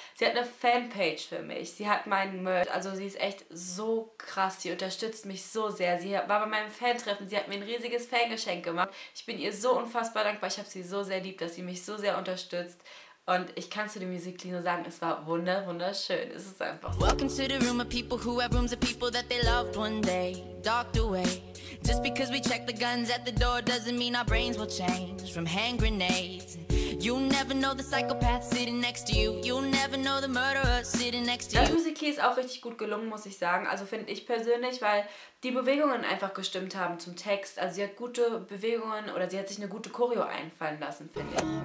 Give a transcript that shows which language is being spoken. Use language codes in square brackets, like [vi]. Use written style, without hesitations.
[de] Sie hat eine Fanpage für mich, sie hat meinen Merch, also sie ist echt so krass, sie unterstützt mich so sehr. Sie war bei meinem Fantreffen, sie hat mir ein riesiges Fangeschenk gemacht. Ich bin ihr so unfassbar dankbar, ich habe sie so sehr lieb, dass sie mich so sehr unterstützt. Und ich kann zu dem Musical.ly nur sagen, es war wunderschön. Es ist einfach so. [en] Welcome to the room of people who have rooms of people that they loved one day, docked away. Just because we check the guns at the door doesn't mean our brains will change from hand grenades. You'll never know the psychopath sitting next to you. You'll never know the murderer sitting next to you. [de] Das Musical.ly ist auch richtig gut gelungen, muss ich sagen. Also finde ich persönlich, weil die Bewegungen einfach gestimmt haben zum Text. Also sie hat gute Bewegungen oder sie hat sich eine gute Choreo einfallen lassen, finde ich.